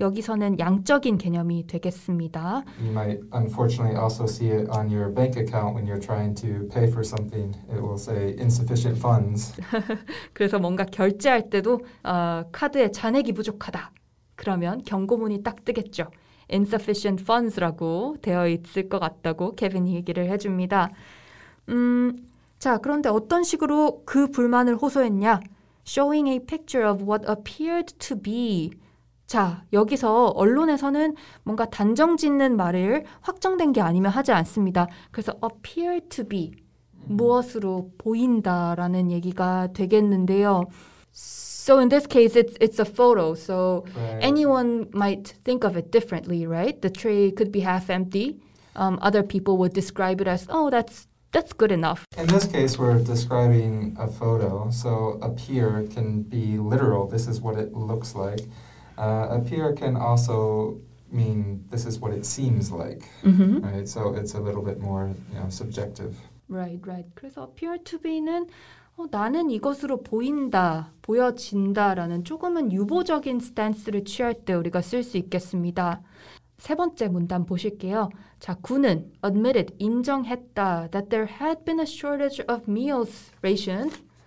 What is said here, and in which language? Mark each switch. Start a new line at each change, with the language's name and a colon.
Korean: 여기서는 양적인 개념이 되겠습니다.
English: You might unfortunately also see it on your bank account when you're trying to pay for something. It will say insufficient funds.
Korean: 그래서 뭔가 결제할 때도 카드에 잔액이 부족하다. 그러면 경고문이 딱 뜨겠죠. Insufficient funds라고 되어 있을 것 같다고 케빈이 얘기를 해줍니다. 자, 그런데 어떤 식으로 그 불만을 호소했냐?
English: Showing a picture of what appeared to be.
Korean: 자, 여기서 언론에서는 뭔가 단정 짓는 말을 확정된 게 아니면 하지 않습니다. 그래서 appear to be, 무엇으로 보인다라는 얘기가 되겠는데요.
English: So in this case, it's a photo. So anyone might think of it differently, right? The tray could be half empty. Other people would describe it as, oh, that's good enough. In this case, we're describing a photo. So appear can be literal. This is what it looks like. Appear can also mean this is what it seems like. Mm-hmm. Right. So it's a little bit more, you know, subjective. Right, right.
Korean: 그래서 appear to be는 나는 이것으로 보인다, 보여진다라는 조금은 유보적인 스탠스를 취할 때 우리가 쓸 수 있겠습니다. 세 번째 문단 보실게요. 자, 군은
English: admitted,
Korean: 인정했다,
English: that there had been a shortage of meals rationed.